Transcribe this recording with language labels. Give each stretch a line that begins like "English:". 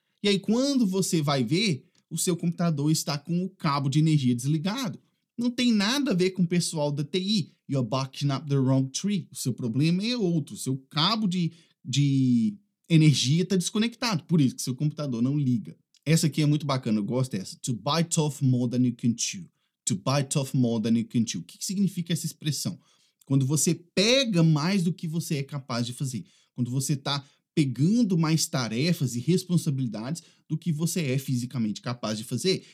Portuguese: E aí, quando você vai ver, o seu computador está com o cabo de energia desligado. Não tem nada a ver com o pessoal da TI.
English: You're barking up the wrong tree.
Portuguese: O seu problema é outro. O seu cabo de energia está desconectado. Por isso que seu computador não liga. Essa aqui é muito bacana. Eu gosto dessa.
English: To bite off more than you can chew. To bite off more than you can chew.
Portuguese: O que significa essa expressão? Quando você pega mais do que você é capaz de fazer. Quando você está pegando mais tarefas e responsabilidades do que você é fisicamente capaz de fazer.